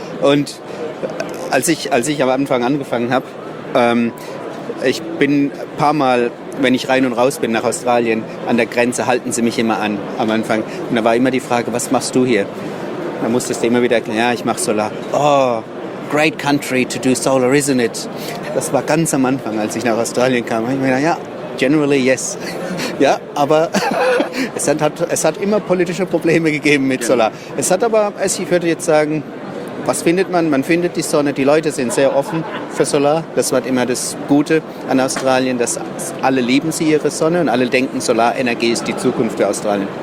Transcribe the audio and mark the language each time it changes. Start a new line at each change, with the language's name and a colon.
German: Und als ich am Anfang angefangen habe, ich bin ein paar Mal, wenn ich rein und raus bin nach Australien, an der Grenze halten sie mich immer an am Anfang. Und da war immer die Frage, was machst du hier? Da musstest du immer wieder erklären, ja, ich mache Solar.
English: Oh, great country to do solar, isn't it?
German: Das war ganz am Anfang, als ich nach Australien kam. Ich meine, ja,
English: generally yes.
German: Ja, aber es hat immer politische Probleme gegeben mit Solar. Es hat aber, ich würde jetzt sagen, was findet man? Man findet die Sonne, die Leute sind sehr offen für Solar. Das war immer das Gute an Australien, dass alle lieben sie ihre Sonne und alle denken, Solarenergie ist die Zukunft für Australien.